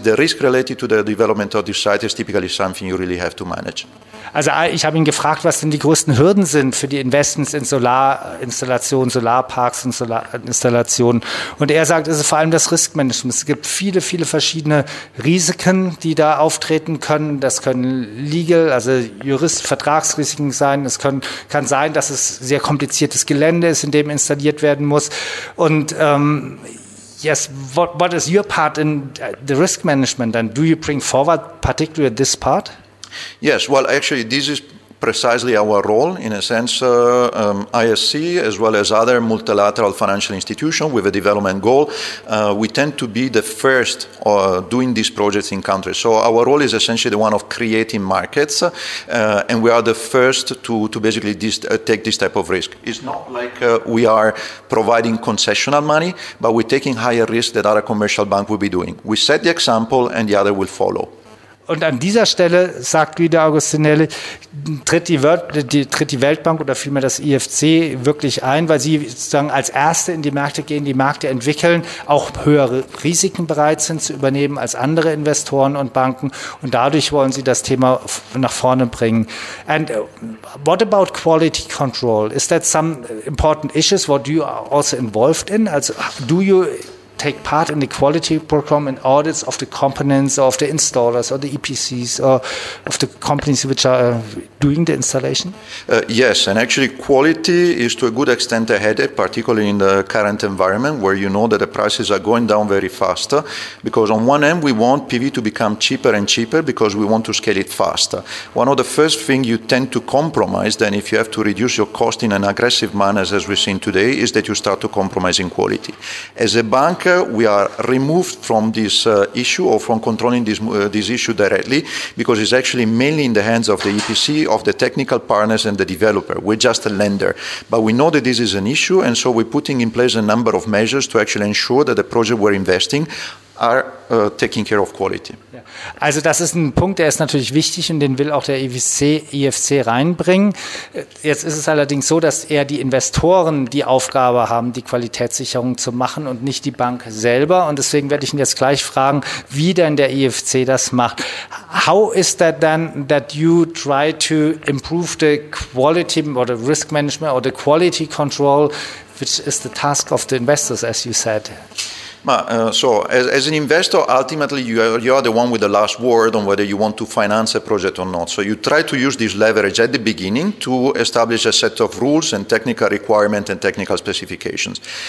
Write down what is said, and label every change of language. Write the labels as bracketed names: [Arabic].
[English] The risk related to the development of this site is typically something you really have to manage. [German] Also ich habe ihn gefragt, was denn die größten Hürden sind für die Investments in Solarinstallationen, Solarparks und Solarinstallationen. Und er sagt, es ist vor allem das Riskmanagement. Es gibt viele, viele verschiedene Risiken, die da auftreten können. Das können Legal, also Jurist-Vertragsrisiken sein. Es kann sein, dass es sehr kompliziertes Gelände ist, in dem installiert werden muss. [English] Und yes, what is your part in the risk management? And do you bring forward particularly this part? Yes, well, actually, this is precisely our role, in a sense, ISC, as well as other multilateral financial institutions with a development goal, we tend to be the first doing these projects in countries. So our role is essentially the one of creating markets, and we are the first to basically take this type of risk. It's not like we are providing concessional money, but we're taking higher risk than other commercial bank will be doing. We set the example, and the other will follow. [German] Und an dieser Stelle, sagt Guido Agostinelli, tritt die Weltbank oder vielmehr das IFC wirklich ein, weil sie sozusagen als Erste in die Märkte gehen, die Märkte entwickeln, auch höhere Risiken bereit sind zu übernehmen als andere Investoren und Banken. Und dadurch wollen sie das Thema nach vorne bringen. [English] And what about quality control? Is that some important issues? What do you are also involved in? Also do you take part in the quality program and audits of the components of the installers or the EPCs or of the companies which are doing the installation? Yes, and actually quality is to a good extent a headache, particularly in the current environment where you know that the prices are going down very fast, because on one end we want PV to become cheaper and cheaper because we want to scale it faster. One of the first things you tend to compromise then if you have to reduce your cost in an aggressive manner as we've seen today is that you start to compromise in quality. As a bank, we are removed from this issue or from controlling this issue directly because it's actually mainly in the hands of the EPC, of the technical partners and the developer. We're just a lender. But we know that this is an issue and so we're putting in place a number of measures to actually ensure that the project we're investing are taking care of quality. [German] Also das ist ein Punkt, der ist natürlich wichtig und den will auch der IFC reinbringen. Jetzt ist es allerdings so, dass eher die Investoren die Aufgabe haben, die Qualitätssicherung zu machen und nicht die Bank selber. Und deswegen werde ich ihn jetzt gleich fragen, wie denn der IFC das macht. [English] How is that then that you try to improve the quality or the risk management or the quality control, which is the task of the investors, as you said? So as an investor, ultimately you are the one with the last word on whether you want to finance a project or not. So you try to use this leverage at the beginning to establish a set of rules and technical requirements and technical specifications.